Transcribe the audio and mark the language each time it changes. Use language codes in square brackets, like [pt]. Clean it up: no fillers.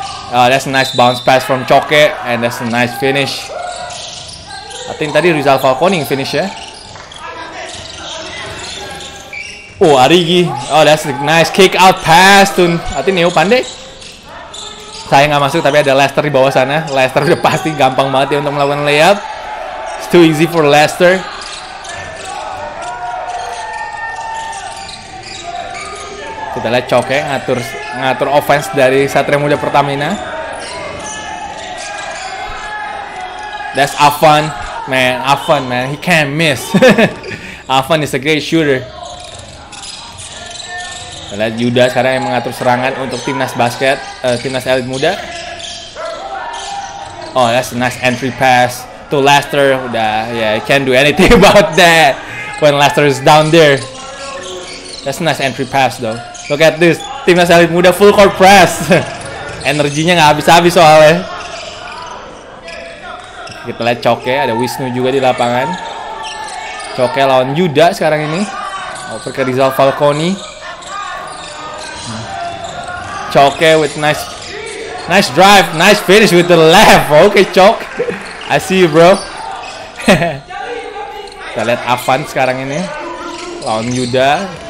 [en] That's a nice bounce pass from Choke, and that's a nice finish. I think [id] tadi Rizal Falcone yang finish ya. [en] Oh, Arigi. Oh, that's a nice kick out pass to, I think Neo Pandey. [id] Saya nggak masuk, tapi ada Lester di bawah sana. Lester udah pasti gampang banget ya untuk melakukan layup. [en] It's too easy for Lester. [id] Kita lihat Choke ngatur offense dari Satria Muda Pertamina. [en] That's Afan. Man, Afan, man, he can't miss. Afan is a great shooter. [id] Lihat Yuda sekarang yang mengatur serangan untuk timnas basket, timnas elit muda. [en] Oh, that's a nice entry pass to Lester. Udah, yeah, can't do anything about that when Lester is down there. That's a nice entry pass though. Look at this, timnas elit muda full court press. [id] Energinya nggak habis-habis soalnya. Kita lihat Choke, ada Wisnu juga di lapangan. Choke lawan Yuda sekarang ini. Over ke Rizal Falconi. [en] Choke with nice drive, nice finish with the left. Okay, Choke, I see you, bro. [id] Kita lihat Afan sekarang ini lawan Yuda.